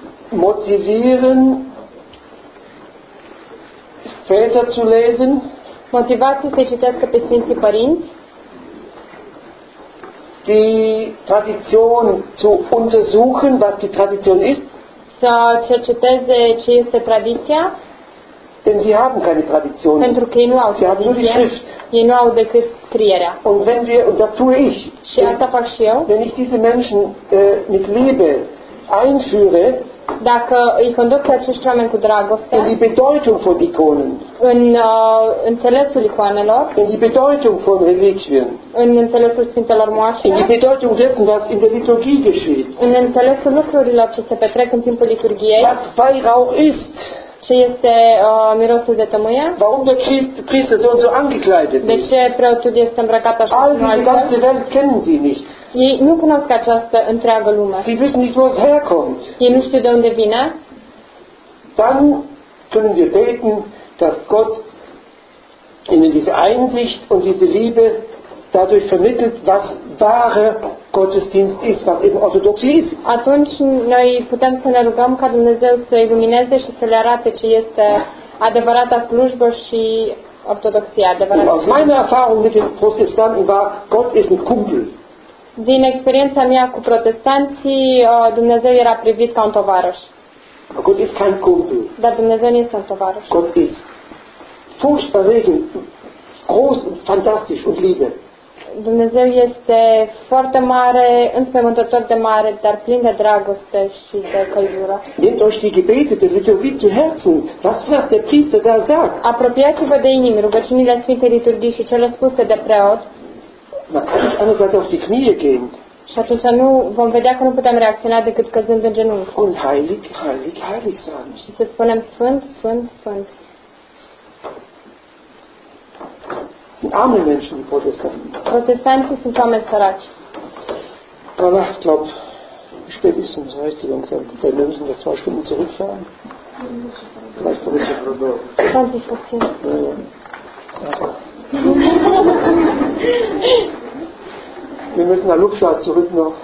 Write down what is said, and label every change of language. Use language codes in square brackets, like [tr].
[de] Sie motivieren, Väter zu lesen. [ro] Motivatie, să citească pe Sfinții Părinți. [de] Die Tradition zu untersuchen, was die Tradition ist. [ro] Să cerceteze ce este tradiția. [de] Denn sie haben keine Tradition. [ro] Pentru că ei nu au [de] sie haben nur die Schrift. [ro] Ei nu au decât scrierea. [de] Und wenn wir, und das tue ich, [ro] și asta fac și eu, [de] wenn ich diese Menschen mit Liebe einführe, [ro] dacă îi conduc pe acești oameni cu dragoste, [de] in die Bedeutung von Ikonen, [ro] în înțelesul icoanelor, [de] in die Bedeutung von Reliquien, [ro] în înțelesul Sfintelor Moașe, [de] in die Bedeutung dessen, was in der Liturgie geschieht, [ro] în înțelesul lucrurilor ce se petrec în timpul liturgiei, [de] was Weihrauch ist, [ro] ce este mirosul de tămâie, [de] warum der Priester so und so angekleidet ist, [ro] de ce preotul este îmbrăcat așa, [de] all diese ganze Welt kennen sie nicht. [ro] Ei nu cunosc această întreagă lume. [de] Sie wissen nicht, wo es herkommt. [ro] Ei nu știu de unde vine. [de] Dann können wir beten, dass Gott ihnen diese Einsicht und diese Liebe dadurch vermittelt, was wahre Gottesdienst ist, was eben Orthodoxie ist. [ro] Atunci noi putem să ne rugăm ca Dumnezeu să ilumineze și să le arate ce este adevărata slujbă și Ortodoxia adevărată. [de] Aus meiner Erfahrung mit den Protestanten war, Gott ist ein Kumpel. [ro] Din experiența mea cu protestanții, Dumnezeu era privit ca un tovarăș. [de] Gott ist kein Kumpel. [ro] Dar Dumnezeu nu este un tovarăș. [de] Gott ist furchtbar regen, groß und fantastisch und liebe. [ro] Dumnezeu este foarte mare, înspăimântător de mare, dar plin de dragoste și de căldură. [de] Nehmt euch die Gebete der Liturgie zu Herzen. Was der Priester da sagt? [ro] Apropiați-vă de inimi rugăciunile Sfintei Liturghii și cele spuse de preot. [de] Man kann nicht anders als auf die Knie gehen. [ro] Și atunci nu vom vedea că nu putem reacționa decât căzând în genunchi. [de] Und heilig, heilig, heilig sagen. [ro] Și să spunem sfânt, sfânt, sfânt. Sunt [de] arme menschen, die Protestanten. [ro] Protestanții sunt oameni săraci. [de] Da, la, glaub, spät ist es, heißt die Jungs, wir müssen da zwei Stunden zurückfahren. Vielleicht von Richard Rodeau. 20%. Wir müssen nach Lupscha zurück noch.